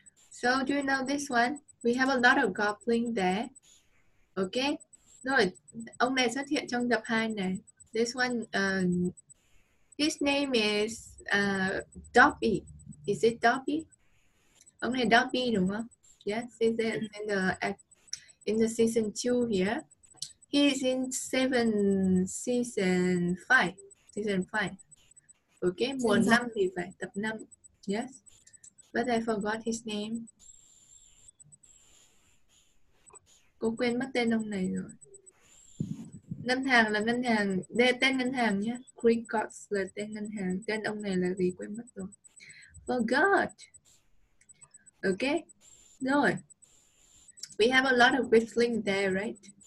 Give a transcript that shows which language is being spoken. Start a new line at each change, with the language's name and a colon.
English: So, do you know this one? We have a lot of goblin there. Okay.
Vietnamese: Rồi, ông này xuất hiện trong tập 2 này.
English: This one, his name is Dobby. Is it Dobby?
Vietnamese: Ông này Dobby đúng không?
English: Yes, is it in the in the season 2 here. He is in season 5.
Vietnamese: Okay, mùa 5 thì phải, tập 5.
English: Yes. But I forgot his name.
Vietnamese: Cô quên mất tên ông này rồi. Ngân hàng là ngân hàng, đây tên ngân hàng nhé. Cricots là tên ngân hàng. Tên ông này là gì quên mất rồi.
English: Forgot. Okay.
Vietnamese: Rồi.
English: We have a lot of whistling there, right?